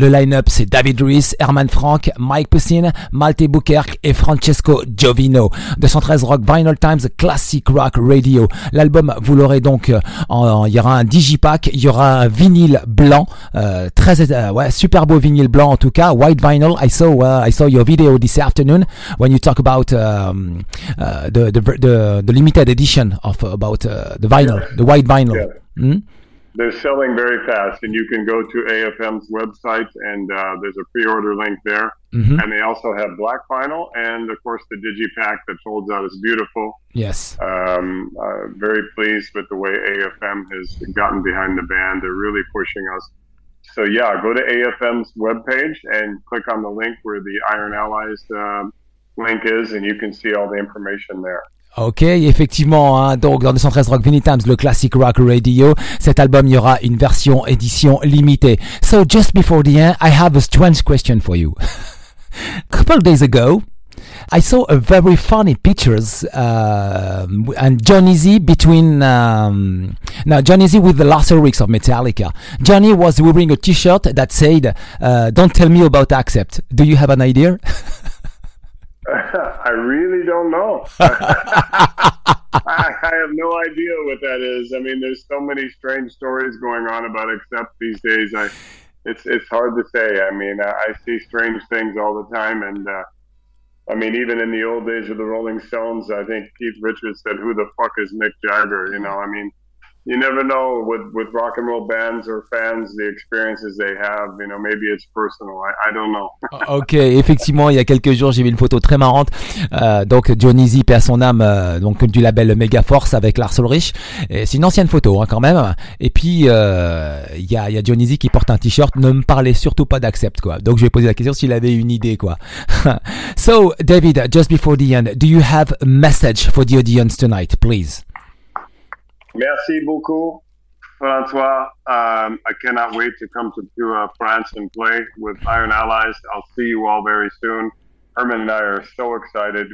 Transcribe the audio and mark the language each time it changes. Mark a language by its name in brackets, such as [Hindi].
[French] Le line-up, c'est David Rees, Herman Frank, Mike Poussin, Malte Bukerk et Francesco Giovino. 213 Rock, Vinyl Time, Classic Rock Radio. L'album, vous l'aurez donc, il y aura un digipack, il y aura un vinyle blanc, super beau vinyle blanc en tout cas, [English] white vinyl. I saw your video this afternoon when you talk about the limited edition of about the vinyl, the white vinyl. Yes. They're selling very fast, and you can go to AFM's website, and there's a pre-order link there. Mm-hmm. And they also have black vinyl, and of course the digipack that folds out is beautiful. Yes. Very pleased with the way AFM has gotten behind the band. They're really pushing us. So yeah, go to AFM's webpage and click on the link where the Iron Allies link is, and you can see all the information there. [French] Ok, effectivement, hein, donc dans 213 Rock Vinny Times, le Classic Rock Radio, cet album, il y aura une version édition limitée. [English] So, just before the end, I have a strange question for you. A couple of days ago, I saw a very funny pictures and Johnny Z between Johnny Z with the Lars Ulrich of Metallica. Johnny was wearing a t-shirt that said, don't tell me about Accept. Do you have an idea? I really don't know. I have no idea what that is. I mean, there's so many strange stories going on about Accept these days. It's hard to say. I mean, I see strange things all the time. And I mean, even in the old days of the Rolling Stones, I think Keith Richards said, who the fuck is Mick Jagger? You know, I mean, you never know with rock and roll bands or fans, the experiences they have, you know, maybe it's personal. I don't know. [French] Ok, effectivement, il y a quelques jours, j'ai vu une photo très marrante. Donc, Johnny Z, paix à son âme, donc du label Megaforce avec Lars Ulrich. Et c'est une ancienne photo, hein, quand même. Et puis, il y a Johnny Z qui porte un t-shirt. Ne me parlez surtout pas d'Accept, quoi. Donc, je vais poser la question s'il avait une idée, quoi. [English] So, David, just before the end, do you have a message for the audience tonight, please? [French] Merci beaucoup, François. [English] I cannot wait to come to France and play with Iron Allies. I'll see you all very soon. Herman and I are so excited.